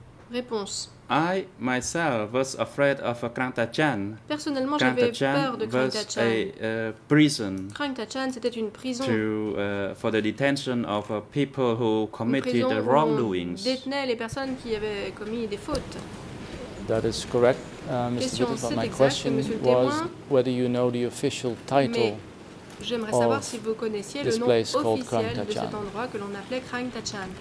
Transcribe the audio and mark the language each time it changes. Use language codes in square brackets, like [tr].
[fr] réponse. [en] I myself was afraid of Krangtachan. [fr] Personnellement, j'avais peur de Krangtachan. Krangtachan, c'était une prison. [en] For the detention of people who committed the wrongdoings. [fr] Où on détenait les personnes qui avaient commis des fautes. [en] That is correct, Mr. Bittles, but my question was whether you know the official title of this place called Krangtachan.